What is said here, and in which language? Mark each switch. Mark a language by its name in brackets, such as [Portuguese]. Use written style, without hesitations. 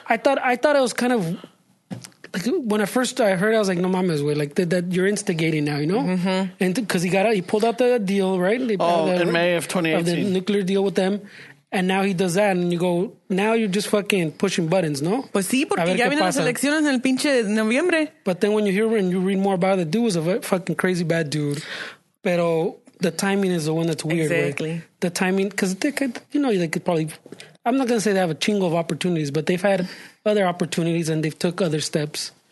[English] I thought it was kind of... Like when I first I heard, I was like, [Spanish] "No mames, [English] way!" Like that you're instigating now, you know? Mm-hmm. And because he pulled out the deal, right? In May of 2018, the nuclear deal with them, and now he does that, and you go, now you're just fucking pushing buttons, no? [Spanish] Pues sí, porque ya vienen las elecciones en el pinche noviembre. [English] But then when you hear and you read more about it, dude was a fucking crazy bad dude. Pero the timing is the one that's weird. Exactly. The timing, because they could probably. I'm not going to say they have a chingo of opportunities, but they've had other opportunities and they've took other steps.